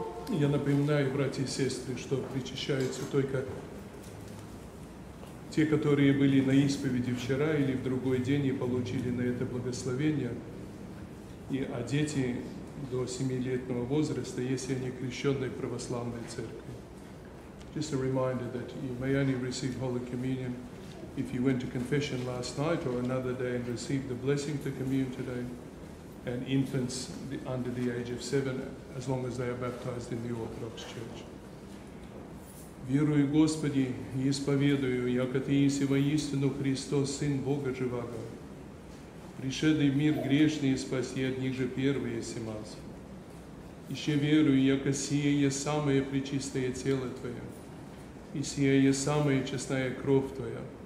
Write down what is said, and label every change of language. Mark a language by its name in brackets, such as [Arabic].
[Russian] Я напоминаю, братья и сестры, что причащаются только те, которые были на исповеди вчера или в другой день и получили на это благословение, а дети до 7-летнего возраста, если они крещенные православной церкви. [English] Just a reminder that you may only receive Holy Communion if you went to confession last night or another day and received the blessing to commune today, and infants under the age of 7, as long as they are baptized in the Orthodox Church. [Church Slavic] Верую Господи, и исповедую, яко ты еси воистину Христос, Сын Бога живаго, пришедый в мир грешный спаси, одни же первые еси мас. Еще верую, яко сие есть самое пречистое тело Твое, и сия есть самая честная кровь Твоя.